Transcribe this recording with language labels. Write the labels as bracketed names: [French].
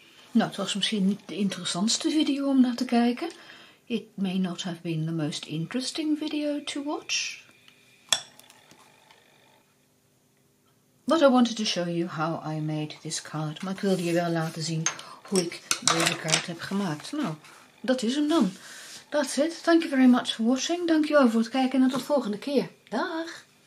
[Dutch] Nou, het was misschien niet de interessantste video om naar te kijken. [English] It may not have been the most interesting video to watch. But I wanted to show you how I made this card. [Dutch] Maar ik wilde je wel laten zien hoe ik deze kaart heb gemaakt. Nou, dat is hem dan. [English] That's it. Thank you very much for watching. [Dutch] Dankjewel voor het kijken en tot volgende keer. Dag!